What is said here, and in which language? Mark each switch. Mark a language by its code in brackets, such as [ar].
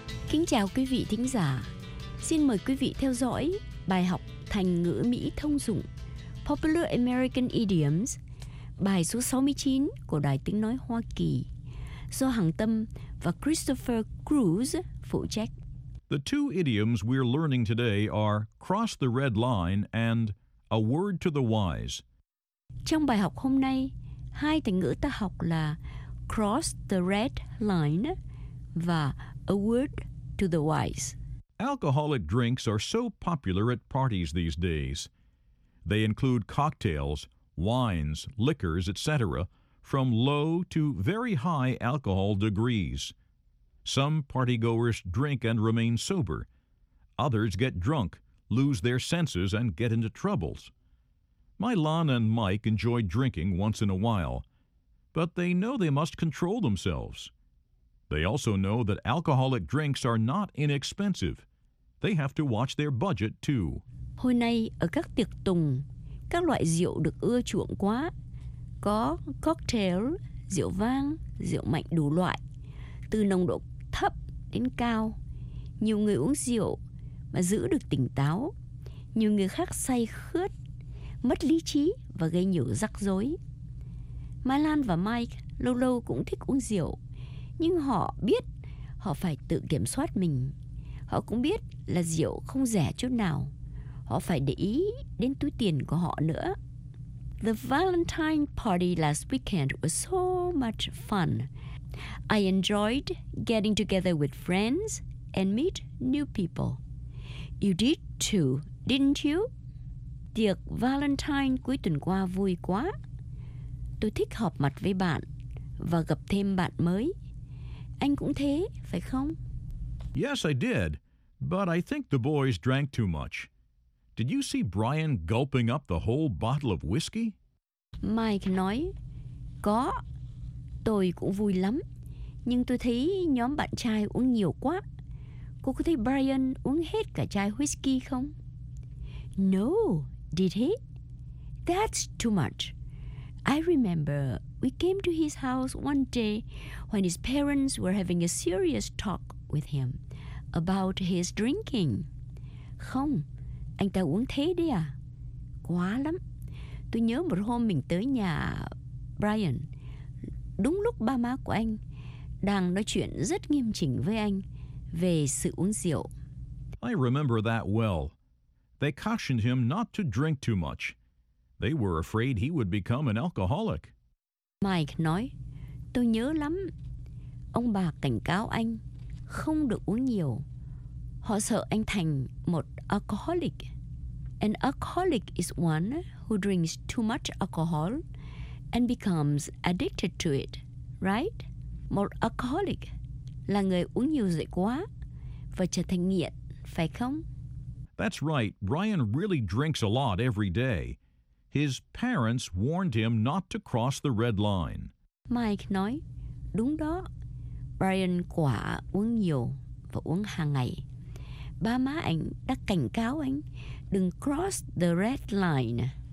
[vi] Kính chào quý vị thính giả. Xin mời quý vị theo dõi bài học thành ngữ Mỹ thông dụng Popular American Idioms, bài số 69 của Đài Tiếng Nói Hoa Kỳ, do Hằng Tâm và Christopher Cruz phụ trách. [en] The two idioms we're learning today are cross the red line and a word to the wise. [vi] Trong bài học hôm nay, hai thành ngữ ta học là [en] cross the red line [vi] và [en] a word to the wise. Alcoholic drinks are so popular at parties these days. They include cocktails, wines, liquors, etc., from low to very high alcohol degrees. Some partygoers drink and remain sober. Others get drunk, lose their senses, and get into troubles. Milan and Mike enjoy drinking once in a while, but they know they must control themselves. They also know that alcoholic drinks are not inexpensive. They have to watch their budget, too. [vi] Hồi nay, ở các tiệc tùng, các loại rượu được ưa chuộng quá. Có cocktail, rượu vang, rượu mạnh đủ loại, từ nồng độ thấp đến cao. Nhiều người uống rượu mà giữ được tỉnh táo. Nhiều người khác say khướt, mất lý trí và gây nhiều rắc rối. Milan và Mike lâu lâu cũng thích uống rượu, nhưng họ biết họ phải tự kiểm soát mình. Họ cũng biết là rượu không rẻ chút nào. Họ phải để ý đến túi tiền của họ nữa. [en] The Valentine party last weekend was so much fun. I enjoyed getting together with friends and meet new people. You did too, didn't you? [vi] Tiệc Valentine cuối tuần qua vui quá. Tôi thích họp mặt với bạn và gặp thêm bạn mới. Anh cũng thế, phải không? [en] Yes, I did. But I think the boys drank too much. Did you see Brian gulping up the whole bottle of whiskey? [vi] Mike nói, có, tôi cũng vui lắm, Nhưng tôi thấy nhóm bạn trai uống nhiều quá. Cô có thấy Brian uống hết cả chai whisky không? [en] No, did he? That's too much. I remember we came to his house one day when his parents were having a serious talk with him about his drinking. [vi] Không, anh ta uống thế đấy à? Quá lắm. Tôi nhớ một hôm mình tới nhà Brian, đúng lúc ba má của anh đang nói chuyện rất nghiêm chỉnh với anh về sự uống rượu. [en] I remember that well. They cautioned him not to drink too much. They were afraid he would become an alcoholic. [vi] Mike nói, tôi nhớ lắm. Ông bà cảnh cáo anh không được uống nhiều. Họ sợ anh thành một alcoholic. [en] An alcoholic is one who drinks too much alcohol and becomes addicted to it, right? [vi] Một alcoholic là người uống nhiều rượu quá và trở thành nghiện, phải không? [en] That's right. Brian really drinks a lot every day. His parents warned him not to cross the red line. [vi] Mike nói, đúng đó. Brian quả uống nhiều và uống hàng ngày. Ba má anh đã cảnh cáo anh đừng [en] cross the red line.